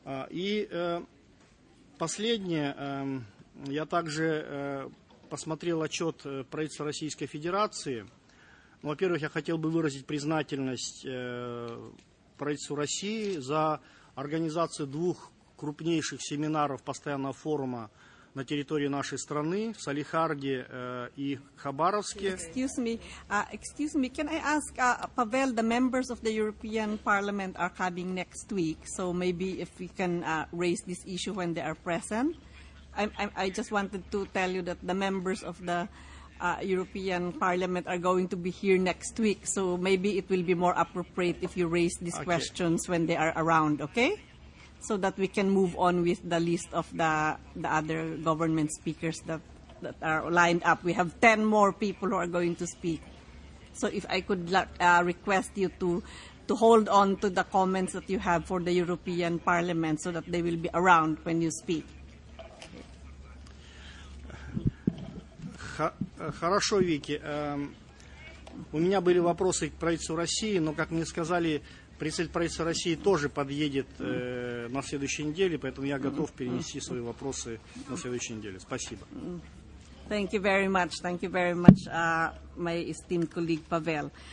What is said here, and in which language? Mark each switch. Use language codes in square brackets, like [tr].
[ru] И последнее, я также посмотрел отчет правительства Российской Федерации. Во-первых, я хотел бы выразить признательность правительству России за организацию двух крупнейших семинаров постоянного форума на территории нашей страны, в Салехарде и Хабаровске. [en] Excuse me, can I ask, Pavel, the members of the European Parliament are coming next week, so maybe if we can raise this issue when they are present. I just wanted to tell you that the members of the European Parliament are going to be here next week, so maybe it will be more appropriate if you raise these questions when they are around, okay? So that we can move on with the list of the other government speakers that are lined up. We have 10 more people who are going to speak. So if I could request you to hold on to the comments that you have for the European Parliament so that they will be around when you speak. [ru] Хорошо, Вики. У меня были вопросы к правительству России, но, как мне сказали, представитель правительства России тоже подъедет на следующей неделе, поэтому я готов перенести свои вопросы на следующей неделе. Спасибо. [en] Thank you very much. Thank you very much, my esteemed colleague Pavel.